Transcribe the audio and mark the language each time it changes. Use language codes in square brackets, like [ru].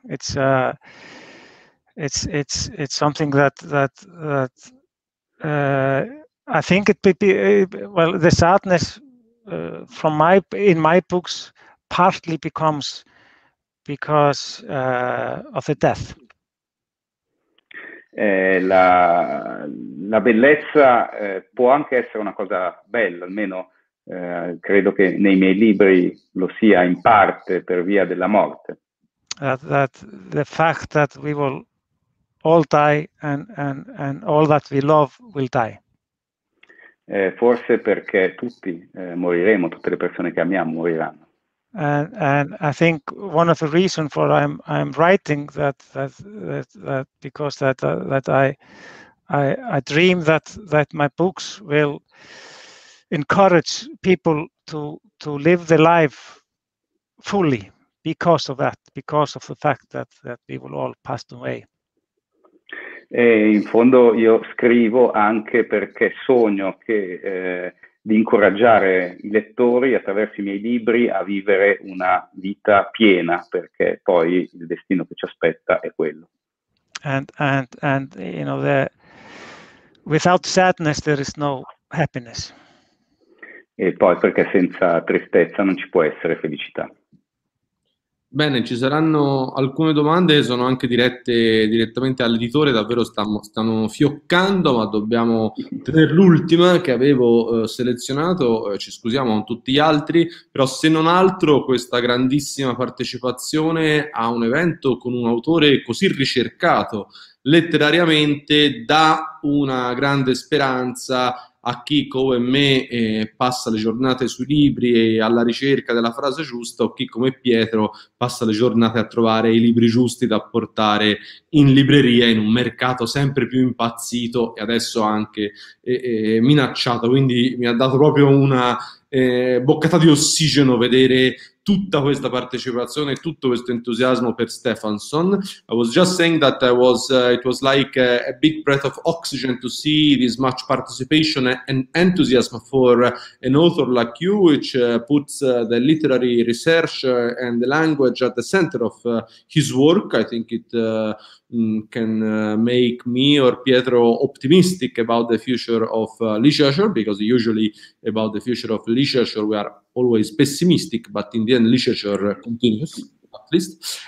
[en] It's something that I think it be, well, the sadness from my in my books partly becomes because of the death. [it] La bellezza può anche essere una cosa bella, almeno credo che nei miei libri lo sia in parte per via della morte. [en] That the fact that we will all die and all that we love will die. [it] Forse perché tutti moriremo, tutte le persone che amiamo moriranno. [en] And I think one of the reasons for I'm writing that because that I dream that my books will encourage people to live their life fully because of that, because of the fact that we will all pass away. [it] E in fondo io scrivo anche perché sogno che di incoraggiare i lettori attraverso i miei libri a vivere una vita piena, perché poi il destino che ci aspetta è quello. [en] And you know, without sadness there is no happiness. [it] E poi perché senza tristezza non ci può essere felicità. Bene, ci saranno alcune domande, sono anche dirette direttamente all'editore, davvero stanno fioccando, ma dobbiamo tenere l'ultima che avevo selezionato, ci scusiamo con tutti gli altri, però se non altro questa grandissima partecipazione a un evento con un autore così ricercato letterariamente dà una grande speranza a chi come me passa le giornate sui libri e alla ricerca della frase giusta, o chi come Pietro passa le giornate a trovare i libri giusti da portare in libreria in un mercato sempre più impazzito e adesso anche minacciato. Quindi mi ha dato proprio una boccata di ossigeno vedere tutta questa partecipazione, tutto questo entusiasmo per Stefansson. [en] I was just saying that it was like a big breath of oxygen to see this much participation and enthusiasm for an author like you, which puts the literary research and the language at the center of his work. I think it can make me or Pietro optimistic about the future of literature, because usually about the future of literature we are always pessimistic, but in the end literature continues at least.